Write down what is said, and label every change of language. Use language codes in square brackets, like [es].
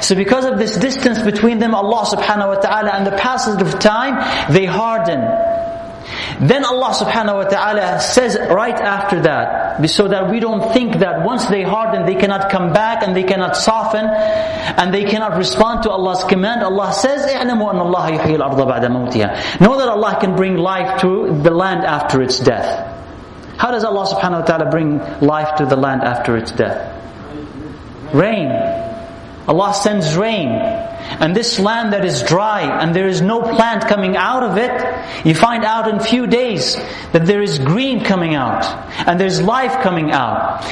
[en] So because of this distance between them, Allah subhanahu wa ta'ala, and the passage of time, they harden. Then Allah subhanahu wa ta'ala says right after that, so that we don't think that once they harden, they cannot come back and they cannot soften and they cannot respond to Allah's command. Allah says, [ar] اِعْلَمُوا أَنَّ اللَّهَ يُحْيِي الْأَرْضَ بَعْدَ مَوْتِهَا. [en] Know that Allah can bring life to the land after its death. How does Allah subhanahu wa ta'ala bring life to the land after its death? Rain. Allah sends rain. And this land that is dry and there is no plant coming out of it, you find out in few days that there is green coming out and there's life coming out.